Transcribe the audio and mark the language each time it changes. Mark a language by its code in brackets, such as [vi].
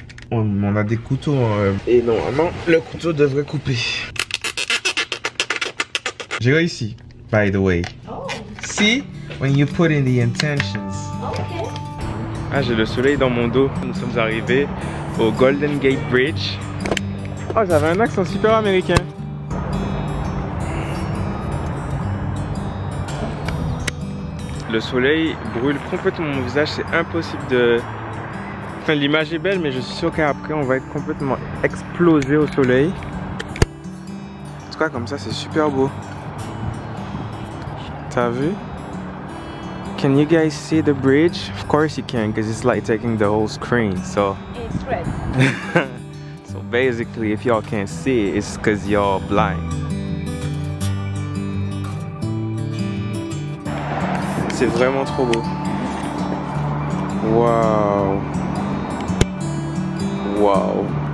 [fr] On a des couteaux. Et normalement, le couteau devrait couper. J'ai réussi, [en] by the way. [fr] Oh. [en] Si, when you put in the intentions. Okay. [fr] Ah, j'ai le soleil dans mon dos. Nous sommes arrivés au Golden Gate Bridge. Oh, j'avais un accent super américain. Le soleil brûle complètement mon visage, c'est impossible de... Enfin, l'image est belle, mais je suis sûr qu'après, on va être complètement explosé au soleil. En tout cas, comme ça, c'est super beau. T'as vu? [en] Can you guys see the bridge? Of course you can, because it's like taking the whole screen, so... It's red. So basically, if y'all can't see it, it's because y'all blind. [fr] C'est vraiment trop beau. Wow. Wow.